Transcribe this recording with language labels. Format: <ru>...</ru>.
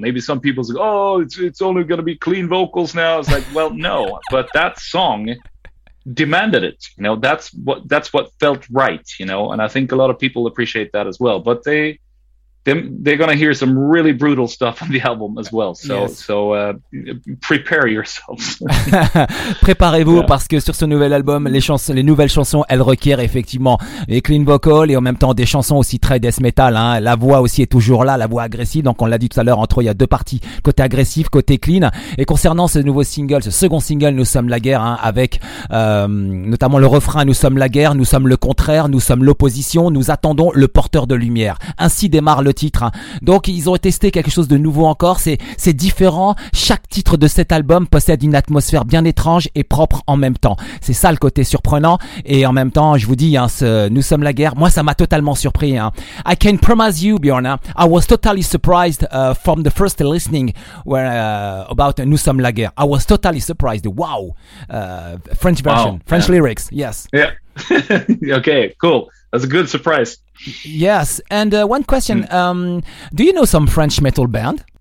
<en>Maybe some people say, oh, it's only going to be clean vocals now. It's like, well, no, but that song demanded it. You know, that's what felt right, you know, and I think a lot of people appreciate that as well. But they, they're going to hear some really brutal stuff on the album as well. So, yes. So prepare yourselves.</en> <fr>Préparez-vous yeah. parce que sur ce nouvel album, les nouvelles chansons, elles requièrent effectivement les clean vocals et en même temps des chansons aussi très death metal. Hein. La voix aussi est toujours là, la voix agressive. Donc on l'a dit tout à l'heure, entre eux, il y a deux parties, côté agressif, côté clean. Et concernant ce nouveau single, ce second single, Nous sommes la guerre, hein, avec notamment le refrain Nous sommes la guerre, nous sommes le contraire, nous sommes l'opposition, nous attendons le porteur de lumière. Ainsi démarre le titre. Donc ils ont testé quelque chose de nouveau encore, c'est différent. Chaque titre de cet album possède une atmosphère bien étrange et propre en même temps. C'est ça le côté surprenant. Et en même temps, je vous dis, hein, ce Nous sommes la guerre, moi ça m'a totalement surpris. Hein.</fr> <en>I can promise you, Bjorn, I was totally surprised from the first listening where, about Nous sommes la guerre. I was totally surprised. Wow. French version, wow. French yeah. lyrics, yes. Yeah. Okay, cool. That's a good surprise. Yes, and one question. Do you know some French metal band?</en>